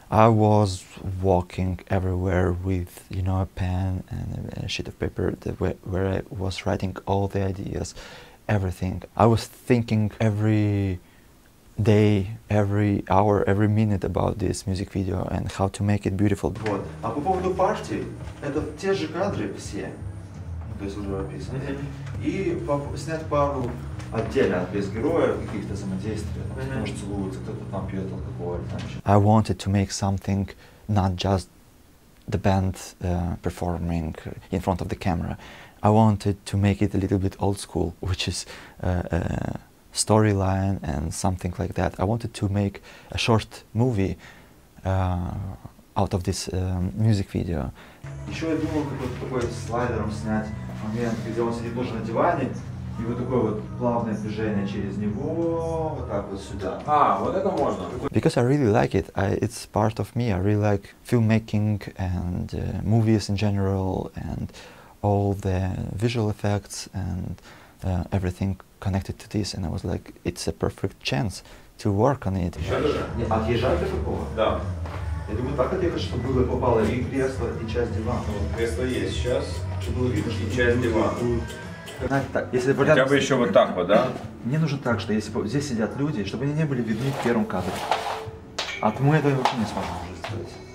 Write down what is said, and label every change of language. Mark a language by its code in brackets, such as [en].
[en] I was walking everywhere with, you know, a pen and a sheet of paper where I was writing all the ideas, everything. I was thinking every day, every hour, every minute about this music video and how to make it beautiful. [ru] Вот. А по поводу партии, это те же кадры все, то есть уже описаны. Mm-hmm. И снять пару отдельно от без героя каких-то взаимодействий. Mm-hmm. Может целуются, кто-то там пьет алкоголь. Там еще. [en] I wanted to make something not just the band performing in front of the camera. I wanted to make it a little bit old school, which is storyline and something like that. I wanted to make a short movie out of this music video. [ru] Еще я думал какой-то такой слайдером снять момент, где он сидит тоже на диване, и вот такое вот плавное движение через него, вот так вот сюда. А, вот это можно. [en] Because I really like it. It's part of me. I really like filmmaking and movies in general and all the visual effects and everything connected to this, and I was like, it's a perfect chance to work on it. [ru] Отъезжать для такого? Да. Я думаю, так отъехать, чтобы было попало и кресло, и часть дивана. Вот кресло есть сейчас, чтобы было видно, что и часть дивана. Если вариант... Хотя бы еще вот так вот, да? Мне нужно так, что если здесь сидят люди, чтобы они не были видны в первом кадре. А мы это вообще не сможем уже сделать.